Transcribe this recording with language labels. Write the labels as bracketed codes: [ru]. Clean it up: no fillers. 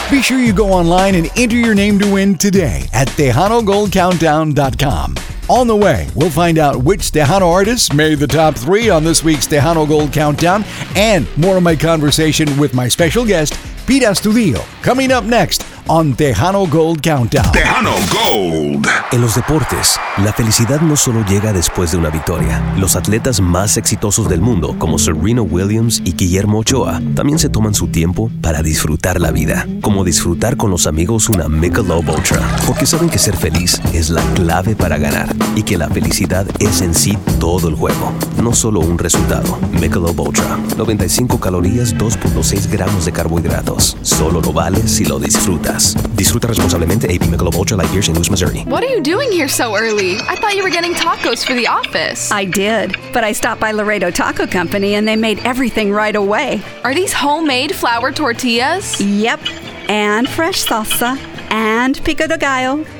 [en] Be sure you go online and enter your name to win today at TejanoGoldCountdown.com. On the way, we'll find out which Tejano artists made the top three on this week's Tejano Gold Countdown, and more of my conversation with my special guest, Pete Astudillo, coming up next on Tejano Gold Countdown. Tejano Gold. [es] En los deportes, la felicidad no solo llega después de una victoria. Los atletas más exitosos del mundo, como Serena Williams y Guillermo Ochoa, también se toman su tiempo para disfrutar la vida. Como disfrutar con los amigos una Michelob Ultra. Porque saben que ser feliz es la clave para ganar. Y que la felicidad es en sí todo el juego. No solo un resultado. Michelob Ultra. 95 calorías, 2.6 gramos de carbohidratos. Solo lo vale si lo disfrutas. Disfruta responsablemente. AB Michelob Ultra Light Beer, St. Louis, Missouri. [en] What are you doing here so early? I thought you were getting tacos for the office. I did, but I stopped by Laredo Taco Company and they made everything right away. Are these homemade flour tortillas? Yep, and fresh salsa, and pico de gallo.